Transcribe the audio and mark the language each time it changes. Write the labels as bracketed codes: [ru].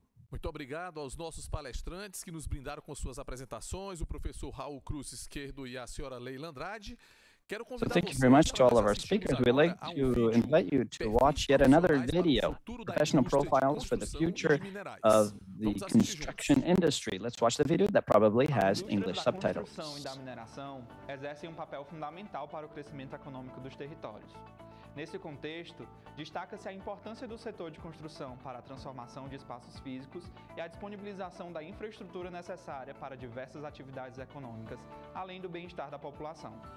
[pt] Muito obrigado aos nossos palestrantes que nos brindaram com suas apresentações, o professor Raul Cruz Esquerdo e a senhora Leila Andrade. Quero convidar [en] thank you very much to all of our speakers. We'd like to invite you to watch yet another video, Professional Profiles for the Future of the Construction Industry. Let's watch the video that probably has English subtitles. [pt] A construção e da mineração exercem papel fundamental para o crescimento econômico dos territórios. Nesse contexto, destaca-se a importância do setor de construção para a transformação de espaços físicos e a disponibilização da infraestrutura necessária para diversas atividades econômicas, além do bem-estar da população.